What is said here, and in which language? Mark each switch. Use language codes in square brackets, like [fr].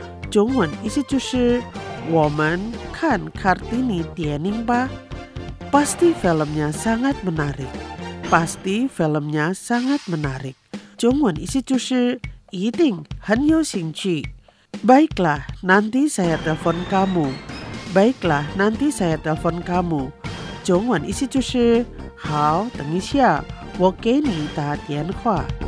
[zh] 中文意思就是 我们看Kartini电影吧. [id] Pasti filmnya sangat menarik. [zh] 中文意思就是 一定很有兴趣. [id] Baiklah, nanti saya telepon kamu. [zh] 中文意思就是 好，等一下，我给你打电话。